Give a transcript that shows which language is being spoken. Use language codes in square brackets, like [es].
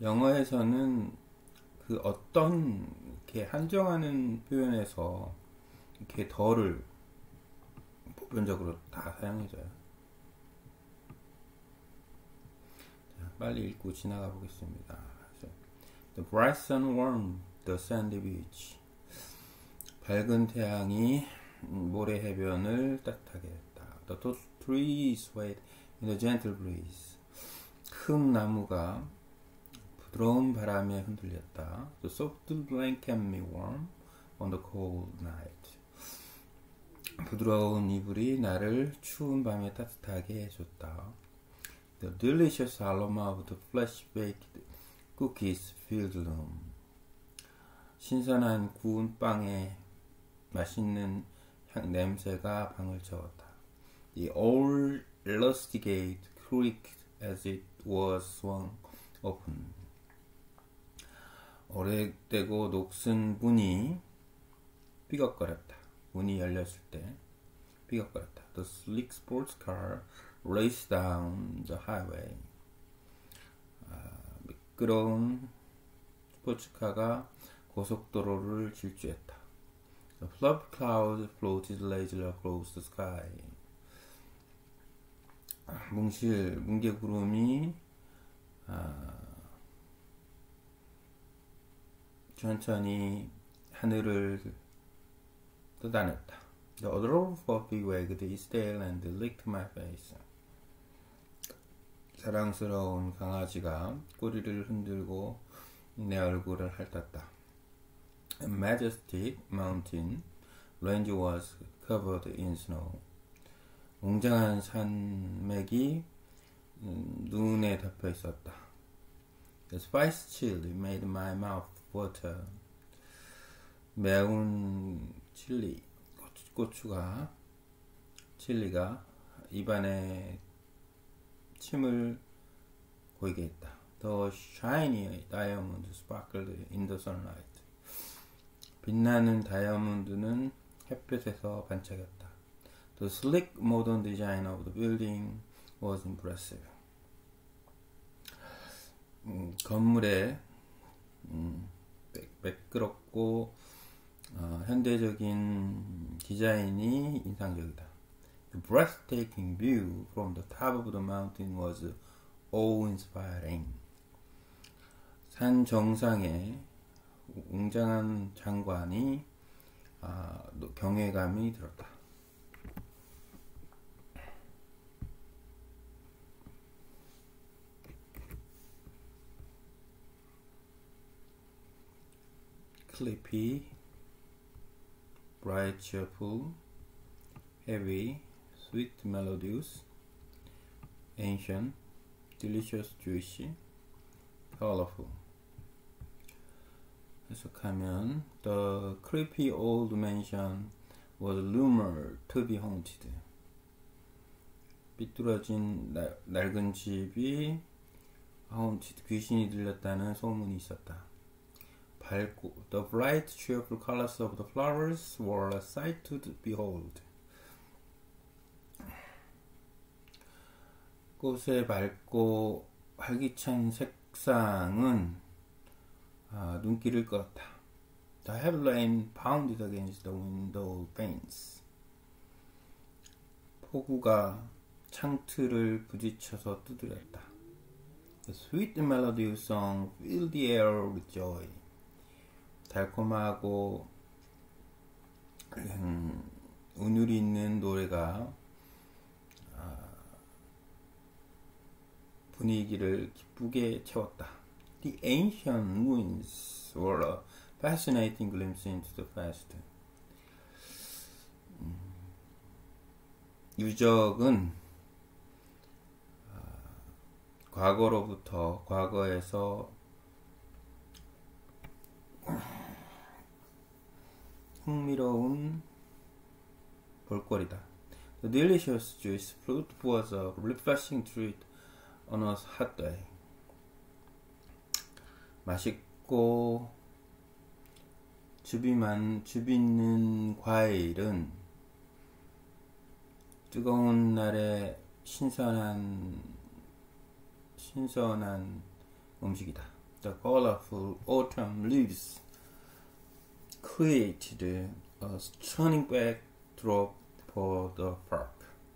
[ko] 영어에서는 그 어떤 이렇게 한정하는 표현에서 이렇게 덜을 보편적으로 다 사용해줘요. 자, 빨리 읽고 지나가 보겠습니다. [en] The bright sun warmed the sandy beach. [ko] 밝은 태양이 모래 해변을 따뜻하게 했다. [en] The tall trees swayed in the gentle breeze. [ko] 큰 나무가 부드러운 바람에 흔들렸다. [en] The soft blanket kept me warm on the cold night. [ko] 부드러운 이불이 나를 추운 밤에 따뜻하게 해줬다. [en] The delicious aroma of the fresh baked cookies filled the room. [ko] 신선한 구운 빵에 맛있는 향 냄새가 방을 채웠다. [en] The old rusty gate creaked as it was swung open. [ko] 오래되고 녹슨 문이 삐걱거렸다. 문이 열렸을 때 삐걱거렸다. [en] The sleek sports car raced down the highway. [ko] 미끄러운 스포츠카가 고속도로를 질주했다. [en] The fluff clouds floated lazily across the sky. [ko] 뭉게구름이 천천히 하늘을 떠다녔다. [en] The odor of coffee wagged its tail and licked my face. [ko] 사랑스러운 강아지가 꼬리를 흔들고 내 얼굴을 핥았다. [en] A majestic mountain range was covered in snow. [ko] 웅장한 산맥이 눈에 덮여 있었다. [en] The spice chili made my mouth water. [ko] 매운 칠리, 칠리가 입안에 침을 고이게 했다. [en] The shiny diamond sparkled in the sunlight. [ko] 빛나는 다이아몬드는 햇빛에서 반짝였다. [en] The sleek modern design of the building was impressive. [ko] 건물에 매끄럽고 현대적인 디자인이 인상적이다. [en] The breathtaking view from the top of the mountain was awe-inspiring. [ko] 산 정상에 웅장한 장관이 경외감이 들었다. [en] Sleepy, bright, cheerful, heavy, sweet melodies, ancient, delicious, juicy, colorful. [ko] 해석하면, [en] the creepy old mansion was rumored to be haunted. [ko] 삐뚤어진 낡은 집이 [en] haunted, [ko] 귀신이 들렸다는 소문이 있었다. 밝고, [en] the bright, cheerful colors of the flowers were a sight to behold. [ko] 꽃의 밝고 활기찬 색상은 눈길을 끌었다. [en] The heavy rain pounded against the window panes. [ko] 폭우가 창틀을 부딪혀서 두드렸다. [en] The sweet melody of song filled the air with joy. [ko] 달콤하고 운율이 있는 노래가 분위기를 기쁘게 채웠다. [en] The ancient ruins were a fascinating glimpse into the past. [ko] 유적은 과거로부터 과거에서 흥미로운 볼거리다. [en] The delicious juice fruit was a refreshing treat on a hot day. [ko] 맛있고 주비 있는 과일은 뜨거운 날에 신선한 음식이다. [en] The colorful autumn leaves created a stunning backdrop for the park.